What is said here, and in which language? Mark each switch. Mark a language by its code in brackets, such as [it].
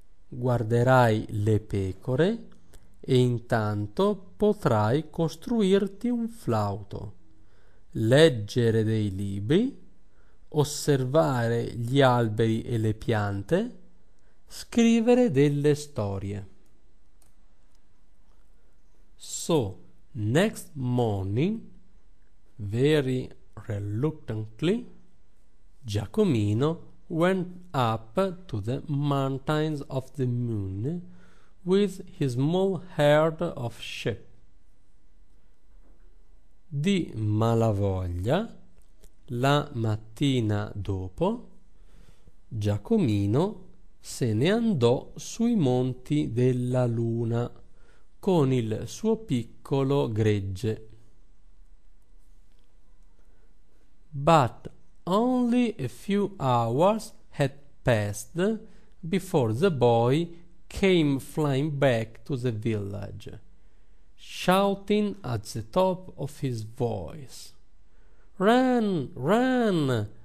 [it] Guarderai le pecore e intanto potrai costruirti un flauto, leggere dei libri, osservare gli alberi e le piante, scrivere delle storie. [en] So, next morning, very reluctantly, Giacomino went up to the mountains of the moon with his small herd of sheep. [it] Di malavoglia, la mattina dopo, Giacomino se ne andò sui monti della luna con il suo piccolo gregge. [en] But only a few hours had passed before the boy came flying back to the village, shouting at the top of his voice, "Run, run!